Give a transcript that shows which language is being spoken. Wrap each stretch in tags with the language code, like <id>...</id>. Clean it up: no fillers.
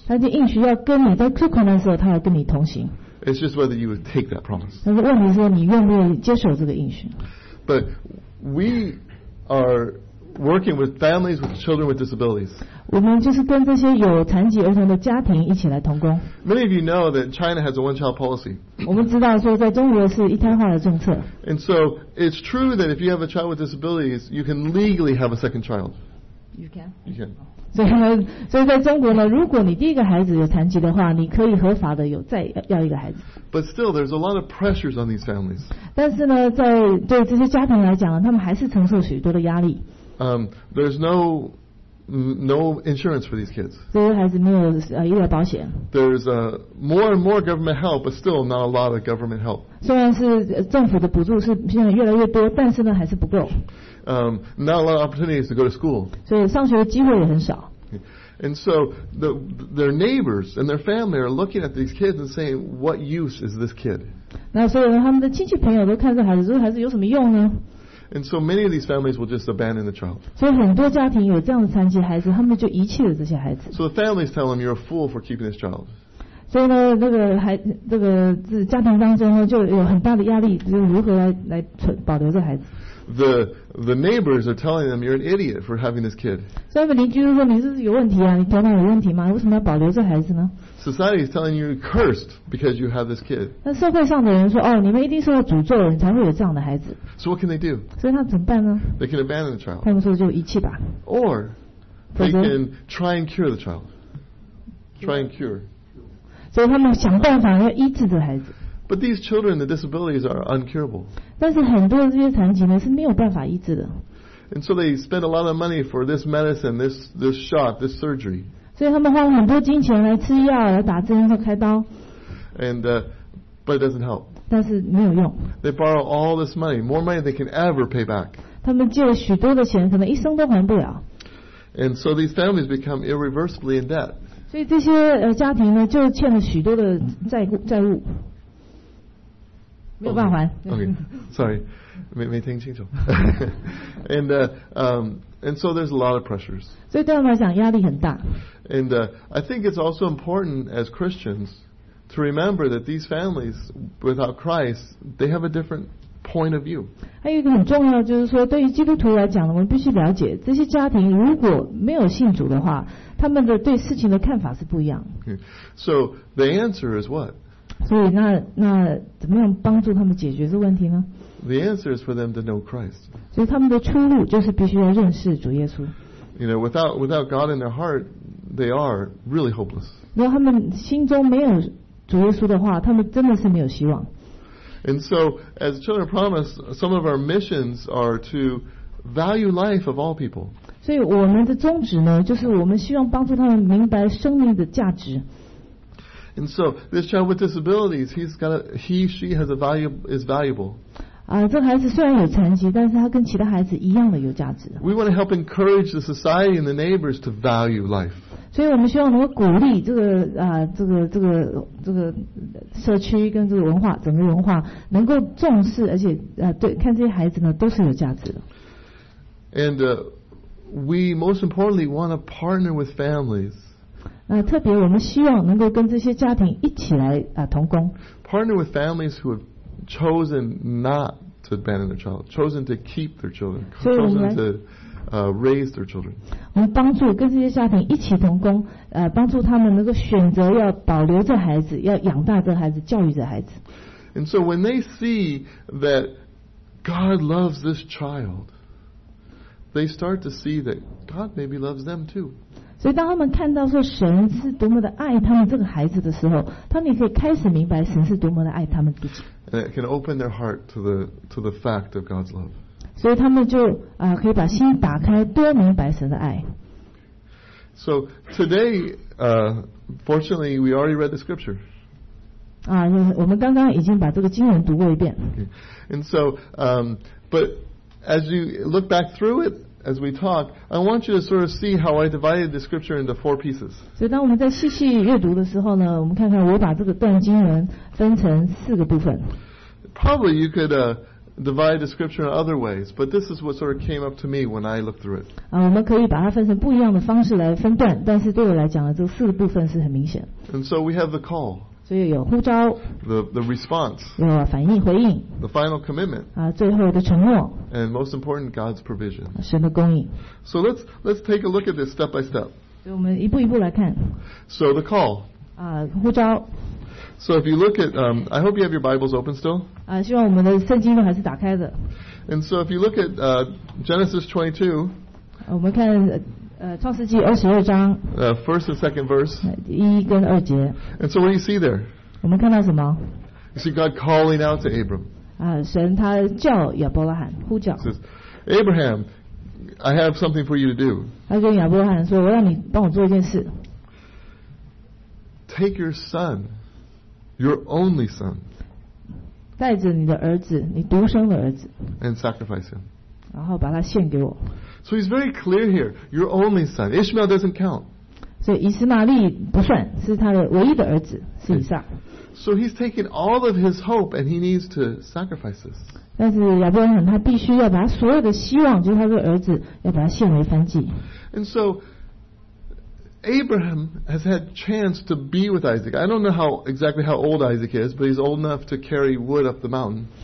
<zh>他就应许要跟你在最困难的时候，他要跟你同行。</zh> <en>It's just whether you would take that promise.</en> <zh>但是问题是你愿不愿意接受这个应许。</zh> <en>But we are working with families with children with disabilities.</en> <zh>我们就是跟这些有残疾儿童的家庭一起来同工。</zh> <en>Many of you know that China has a one-child policy.</en> <zh>我们知道说在中国是一胎化的政策。</zh> <en>And so it's true that if you have a child with disabilities, you can legally have a second child. You can. You can.</en> <zh>所以在中国呢，如果你第一个孩子有残疾的话，你可以合法的有再要一个孩子。</zh> <en>But still, there's a lot of pressures on these families.</en> <zh>但是呢，在对这些家庭来讲，他们还是承受许多的压力。</zh> <en>There's no insurance for these kids.</en> <zh>这些孩子没有医疗保险。</zh> <en>There's more and more government help, but still not a lot of government help.</en> <zh>虽然是政府的补助是现在越来越多，但是呢，还是不够。</zh> <en>Not a lot of opportunities to go to school.</en> <zh>所以上学的机会也很少。</zh> <en>And so their neighbors and their family are looking at these kids and saying, "What use is this kid?"</en> <zh>那所以呢，他们的亲戚朋友都看这孩子，这孩子有什么用呢？</zh> <en>And so many of these families will just abandon the child.</en> <zh>所以很多家庭有这样的残疾孩子，他们就遗弃了这些孩子。</zh> <en>So the families tell them, "You're a fool for keeping this child."</en> <zh>所以呢，那个家庭当中呢，就有很大的压力，就是如何来保留这孩子。</zh> <en>The neighbors are telling them, "You're an idiot for having this kid." So,</en> <zh>邻居说你是有问题啊，你头脑有问题吗？为什么要保留这孩子呢？</zh> <en>Society is telling you you're cursed because you have this kid.</en> <zh>那社会上的人说，哦，你们一定受到诅咒，你才会有这样的孩子。</zh> <en>So what can they do?</en> <zh>所以他怎么办呢？</zh> <en>They can abandon the child.</en> <zh>他们说就遗弃吧。</zh> <en>Or they can try and cure the child. Try and cure.</en> <zh>所以他们想办法要医治这孩子。</zh> <en>But these children, the disabilities are uncurable.</en> <zh>但是很多这些残疾呢是没有办法医治的。</zh> <en>And so they spend a lot of money for this medicine, this shot, this surgery.</en> <zh>所以他们花了很多金钱来吃药、来打针和开刀。</zh> <en>And but it doesn't help.</en> <zh>但是没有用。</zh> <en>They borrow all this money, more money than they can ever pay back.</en> <zh>他们借了许多的钱，可能一生都还不了。</zh> <en>And so these families become irreversibly in debt.</en> <zh>所以这些家庭呢就欠了许多的债务。没听清楚。</zh> <en>and so there's a lot of pressures.</en> <zh>所以对他们来讲压力很大。</zh> <en>And I think it's also important as Christians to remember that these families without Christ, they have a different point of view.</en> <zh>还有一个很重要的就是说，对于基督徒来讲，我们必须了解这些家庭如果没有信主的话，他们的对事情的看法是不一样。</zh> <en>So the answer is what?</en> <zh>所以那怎么样帮助他们解决这问题呢？</zh> <en>The answer is for them to know Christ.</en> <zh>所以他们的出路就是必须要认识主耶稣。</zh> <en>You know, without God in their heart, they are really hopeless.</en> <zh>如果他们心中没有主耶稣的话，他们真的是没有希望。</zh> <en>And so, as Children of Promise, some of our missions are to value life of all people.</en> <zh>所以我们的宗旨呢，就是我们希望帮助他们明白生命的价值。</zh> <en>And so this child with disabilities, is valuable.</en> <zh>这孩子虽然有残疾，但是他跟其他孩子一样的有价值。</zh> <en>We want to help encourage the society and the neighbors to value life.</en> <zh>所以我们希望能够鼓励这个社区跟这个文化，整个文化能够重视，而且对看这些孩子呢都是有价值的。</zh> <en>And we most importantly want to partner with families.</en> <zh>特别我们希望能够跟这些家庭一起来同工。</zh> <en>Partner with families who have chosen not to abandon their child, chosen to keep their children, chosen to raise their children.</en> <zh>我们帮助跟这些家庭一起同工，帮助他们能够选择要保留这孩子，要养大这孩子，教育这孩子。</zh> <en>And so when they see that God loves this child, they start to see that God maybe loves them too.</en> <zh>所以当他们看到说神是多么的爱他们这个孩子的时候，他们也可以开始明白神是多么的爱他们自己。</zh> <en>And it can open their heart to the fact of God's love.</en> <zh>所以他们就可以把心打开，多明白神的爱。</zh> <en>So today, fortunately, we already read the scripture.</en> <zh>我们刚刚已经把这个经文读过一遍。</zh> <en>Okay. And so, but as you look back through it. As we talk, I want you to sort of see how I divided the scripture into four pieces.</en> <zh>所以当我们在细细阅读的时候呢，我们看看我把这个段经文分成四个部分。</zh> <en>Probably you could divide the scripture in other ways, but this is what sort of came up to me when I looked through it.</en> <zh>我们可以把它分成不一样的方式来分段，但是对我来讲呢，这四个部分是很明显。</zh> <en>And so we have the call.</en> <zh>所以有呼召,</zh> <en>the response,</en> <zh>有反应, 回应,</zh> <en>the final commitment,</en> <zh>啊, 最后的承诺,</zh> <en>and most important, God's provision.</en> <zh>神的供应.</zh> <en>So let's take a look at this step by step.</en> <zh>我们一步一步来看.</zh> <en>So the call.</en> <zh>啊, 呼召.</zh> <en>So if you look at, I hope you have your Bibles open still.</en> <zh>啊, 希望我们的圣经都还是打开的.</zh> <en>And so if you look at Genesis 22,</en> <zh>我们看, 创世纪22章,</zh> <en>first and second verse.</en> <zh>1跟2节.</zh> <en>And so what do you see there?</en> <zh>我们看到什么?</zh> <en>You see God calling out to Abram.</en> <zh>神他叫亚伯拉罕, 呼叫.</zh> <en>Says, Abraham, I have something for you to do.</en> <zh>他跟亚伯拉罕说, 我让你帮我做一件事。</zh> <en>Take your son, your only son.</en> <zh>带着你的儿子, 你独生的儿子,</zh> <en>and sacrifice him.</en> <zh>然后把他献给我。</zh> <en>So he's very clear here. Your only son. Ishmael doesn't count.</en> <zh>所以以斯玛利不算, 是他的唯一的儿子, 是以撒。</zh> <en>So he's taking all of his hope and he needs to sacrifice this.</en> <zh>但是亚伯拉罕他必须要把他所有的希望, 就是他的儿子, 要把他献为燔祭。</zh> <en>And so Abraham has had chance to be with Isaac. I don't know exactly how old Isaac is, but he's old enough to carry wood up the mountain.</en>